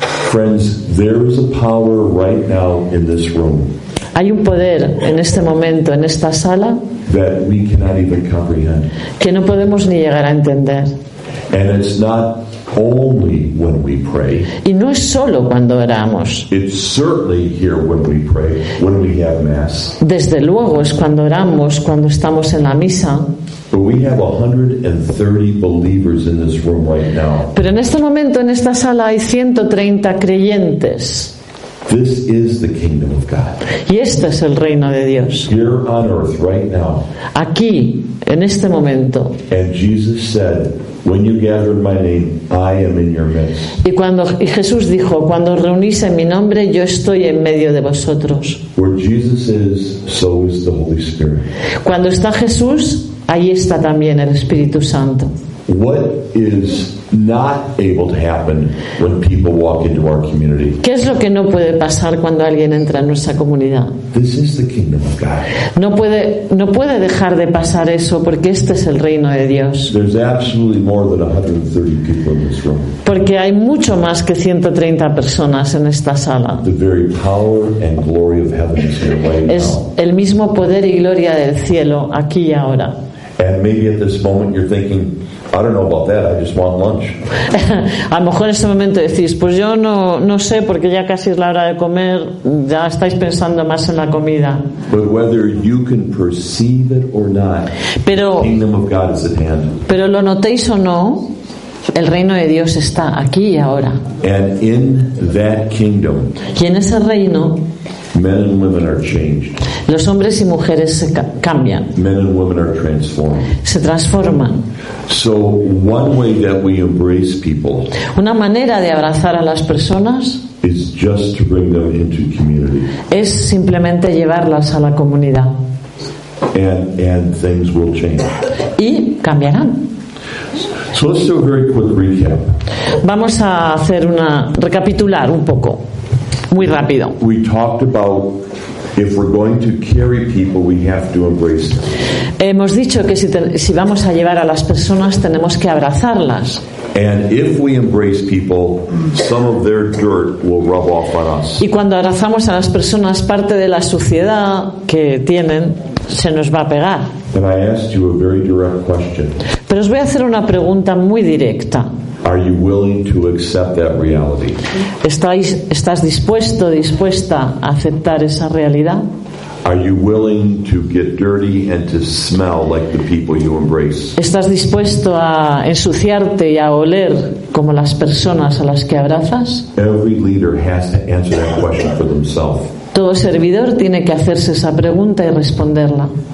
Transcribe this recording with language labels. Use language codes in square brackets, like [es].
[en] Friends, there is a power right now in this room. [es] Hay un poder en este momento, en esta sala, [en] that we cannot even comprehend. [es] Que no podemos ni llegar a entender. [en] And it's not only when we pray. [es] Y no es solo cuando oramos. [en] It's certainly here when we pray, when we have mass. [es] Desde luego es cuando oramos, cuando estamos en la misa. [en] But we have 130 believers in this room right now. [es] Pero en este momento en esta sala hay 130 creyentes. [en] This is the kingdom of God. [es] Y este es el reino de Dios. [en] Here on earth right now. [es] Aquí, en este momento. [en] And Jesus said, When you gathered my name, I am in your midst. [es] Y cuando y Jesús dijo, cuando reunís en mi nombre, yo estoy en medio de vosotros. [en] Where Jesus is, so is the Holy Spirit. [es] Cuando está Jesús, ahí está también el Espíritu Santo. [en] What is not able to happen when people walk into our community? [es] ¿Qué es lo que no puede pasar cuando alguien entra en nuestra comunidad? [en] This is the kingdom of God. [es] No puede dejar de pasar eso porque este es el reino de Dios. [en] There's absolutely more than 130 people in this room. [es] Porque hay mucho más que 130 personas en esta sala. [en] The very power and glory of heaven is here right now. [es] Es el mismo poder y gloria del cielo aquí y ahora. [en] And maybe at this moment you're thinking, I don't know about that. I just want lunch. [es] A lo mejor en este momento decís, pues yo no sé, porque ya casi es la hora de comer. Ya estáis pensando más en la comida. [en] But whether you can perceive it or not, the kingdom of God is at hand. [es] Pero lo notéis o no, el reino de Dios está aquí y ahora. [en] And in that kingdom, [es] y en ese reino, [en] men and women are changed. [es] Los hombres y mujeres se cambian. [en] Men and women are transformed. [es] Se transforman. [en] So one way that we embrace people, [es] una manera de abrazar a las personas, [en] is just to bring them into community. [es] Es simplemente llevarlas a la comunidad. [en] And things will change. [es] Y cambiarán. [en] So let's do a very quick recap. [es] Vamos a hacer una recapitular un poco. Muy rápido. [en] We talked about if we're going to carry people, we have to embrace them. [es] Hemos dicho que si vamos a llevar a las personas, tenemos que abrazarlas. [en] And if we embrace people, some of their dirt will rub off on us. [es] Y cuando abrazamos a las personas, parte de la suciedad que tienen se nos va a pegar. [en] And I asked you a very direct question. [es] Pero os voy a hacer una pregunta muy directa. [en] Are you willing to accept that reality? [es] ¿Estás dispuesto, dispuesta a aceptar esa realidad? [en] Are you willing to get dirty and to smell like the people you embrace? [es] ¿Estás dispuesto a ensuciarte y a oler como las personas a las que abrazas? [en] Every leader has to answer that question for themselves. [es] Todo servidor tiene que hacerse esa pregunta y responderla.